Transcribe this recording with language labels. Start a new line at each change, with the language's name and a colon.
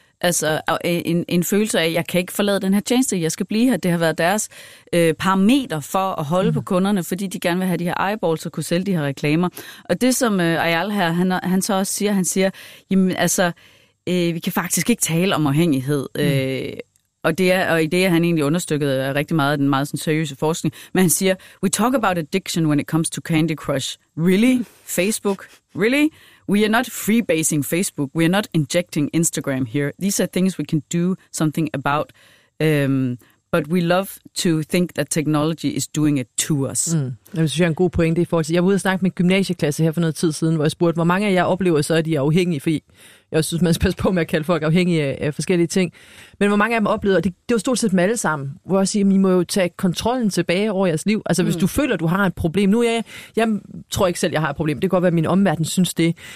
Danish: Altså en følelse af, at jeg kan ikke forlade den her tjeneste, jeg skal blive her. Det har været deres parameter for at holde på kunderne, fordi de gerne vil have de her eyeballs og kunne sælge de her reklamer. Og det som Ayal her, han så også siger, jamen altså, vi kan faktisk ikke tale om afhængighed. Og det er han egentlig understøttet af rigtig meget af den meget sådan seriøse forskning. Men han siger,
English: we talk about addiction when it comes to Candy Crush. Really? Facebook? Really? We are not freebasing Facebook. We are not injecting Instagram here. These are things we can do something about. But we love to think that technology is doing it to us. Mm.
Danish: Jeg synes, jeg er en god pointe i forhold til. Jeg var ude og snakke med gymnasieklasse her for noget tid siden, hvor jeg spurgte, hvor mange af jer oplever så, at de er afhængige? Fordi jeg synes, man skal passe på med at kalde folk afhængige af forskellige ting. Men hvor mange af dem oplever, det var stort set dem alle sammen, hvor jeg siger, at I må jo tage kontrollen tilbage over jeres liv. Altså hvis du føler, at du har et problem. Nu jeg tror ikke selv, jeg har et problem. Det kan godt være, at min omverden synes det.